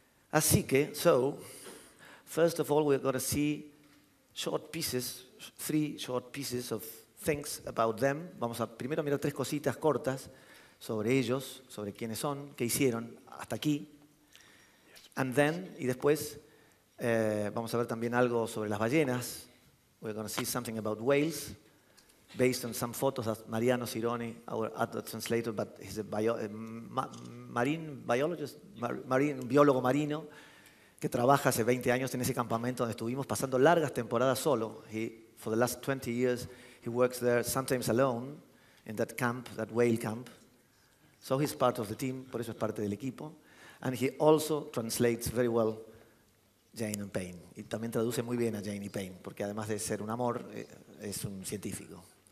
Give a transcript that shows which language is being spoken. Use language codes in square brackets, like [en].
[es] Así que, [en] so, first of all, we're going to see three short pieces of things about them. [es] Vamos a primero mirar tres cositas cortas sobre ellos, sobre quiénes son, qué hicieron hasta aquí. [en] And then, [es] y después, vamos a ver también algo sobre las ballenas. [en] We're going to see something about whales, based on some photos that Mariano Cironi, our other translator, but he's a [es] biólogo marino, que trabaja hace 20 años en ese campamento donde estuvimos pasando largas temporadas solo. [en] For the last 20 years, he works there sometimes alone, in that camp, that whale camp. So he's part of the team, [es] por eso es parte del equipo. [en] And he also translates very well Jane and Payne. [es] Y también traduce muy bien a Jane y Payne, porque además de ser un amor, es un científico.